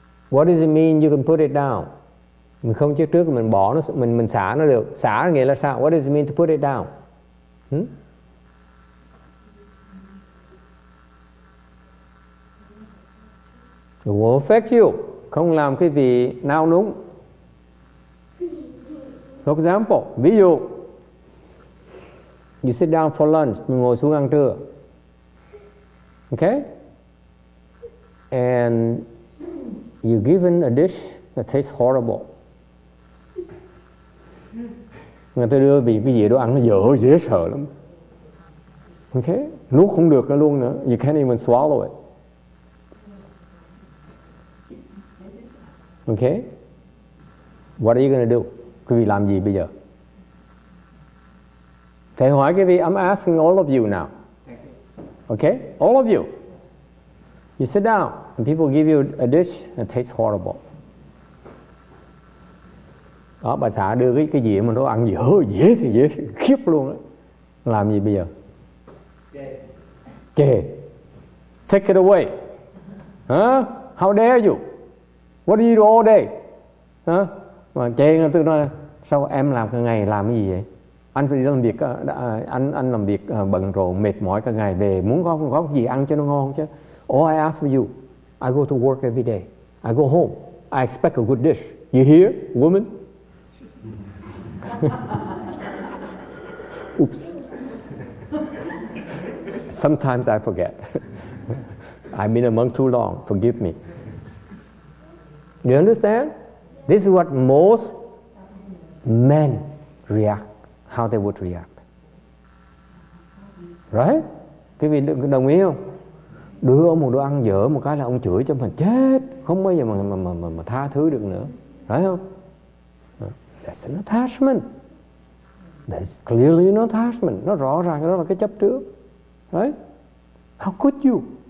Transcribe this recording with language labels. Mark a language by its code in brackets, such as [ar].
[en] What does it mean you can put it down? [vi] Mình không chấp trước, mình bỏ nó, mình xả nó được. Xả nghĩa là sao? [en] What does it mean to put it down? It won't affect you. [vi] Không làm cái gì nào đúng. [en] For example, [vi] ví dụ, [en] you sit down for lunch, [vi] mình ngồi xuống ăn trưa, [en] okay? And you're given a dish that tastes horrible. [vi] Người ta đưa vì cái gì đó ăn nó dở dễ sợ lắm, okay? Nuốt không được nó luôn nữa, [en] you can't even swallow it, okay? What are you gonna do? [vi] Quý vị làm gì bây giờ? Thầy hỏi quý vị, [en] I'm asking all of you now. Okay? All of you. You sit down and people give you a dish that tastes horrible. [vi] Đó, bà xã đưa cái dĩa mà nó ăn dở, dễ thì dễ, khiếp luôn á. Làm gì bây giờ? Chê. Chê. [en] Take it away. Huh? How dare you? What do you do all day? Huh? [vi] Mà chê người tôi nói, sao em làm cả ngày làm cái gì vậy? Anh phải đi làm việc, anh làm việc bận rộn mệt mỏi cả ngày về muốn có gì ăn cho nó ngon chứ. [en] All I ask for you, I go to work every day. I go home, I expect a good dish. You hear, woman? Oops. Sometimes I forget. I've been a monk too long, forgive me. Do you understand? This is what most men react, how they would react. Right? [vi] Quý vị đồng ý không? Đưa ông một đồ ăn dở một cái là ông chửi cho mình chết, không bao giờ mà tha thứ được nữa. Right không? [en] That's an attachment. That's clearly an attachment. [vi] Nó rõ ràng đó là cái chấp trước. [en] Right? How could you?